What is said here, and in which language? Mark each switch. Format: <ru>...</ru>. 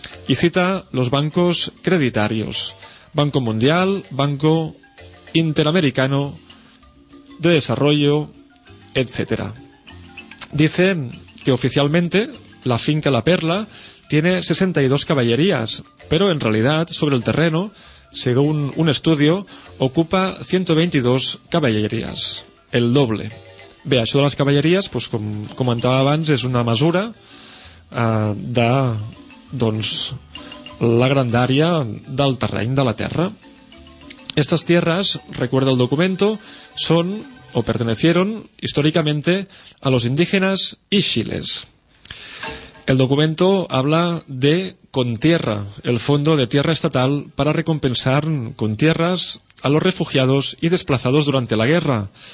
<es>Y cita los bancos creditarios: Banco Mundial, Banco Interamericano de Desarrollo, etc. Dice que oficialmente la finca La Perla tiene 62 caballerías, pero en realidad sobre el terreno, según un estudio, ocupa 122 caballerías, el doble.</es> <ca>Bé, això de les cavalleries, doncs, com comentava abans, és una mesura de doncs, la grandària del terreny de la terra.</ca> <es>Estas tierras, recuerda el documento, son o pertenecieron históricamente a los indígenas ixiles. El documento habla de Contierra, el fondo de tierra estatal para recompensar con tierras a los refugiados y desplazados durante la guerra.</es>